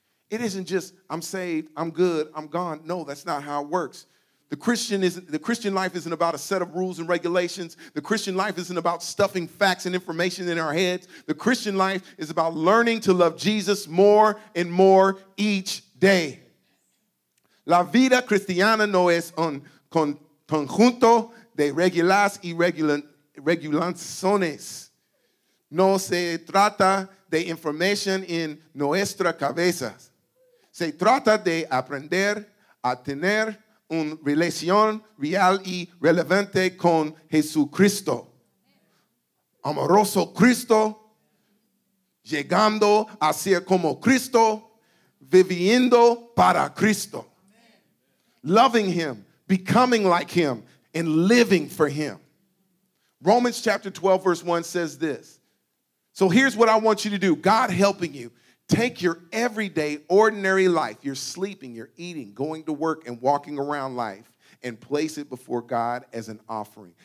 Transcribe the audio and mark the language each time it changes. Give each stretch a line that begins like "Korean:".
English: It isn't just, I'm saved, I'm good, I'm gone. No, that's not how it works. The Christian life isn't about a set of rules and regulations. The Christian life isn't about stuffing facts and information in our heads. The Christian life is about learning to love Jesus more and more each day.
Spanish: La vida cristiana no es un conjunto de reglas y regulaciones. No se trata de información en nuestras cabezas. Se trata de aprender a tener una relación real y relevante con Jesucristo. Amoroso Cristo, llegando a ser como Cristo, viviendo para Cristo.
English: Loving him, becoming like him, and living for him. Romans chapter 12, verse 1 says this. So here's what I want you to do. God helping you. Take your everyday, ordinary life, your sleeping, your eating, going to work, and walking around life, and place it before God as an offering.